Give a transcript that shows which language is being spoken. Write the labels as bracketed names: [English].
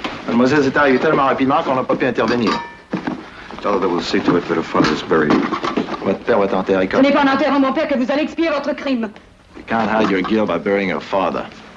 [French] Mademoiselle, c'est arrivé tellement rapidement qu'on n'a pas pu intervenir. [English] Tell her that we'll see to it that her father is buried. [French] Votre père va être enterré comme... Ce n'est pas en enterrant mon père que vous allez expier votre crime. [English] You can't hide your guilt by burying her father.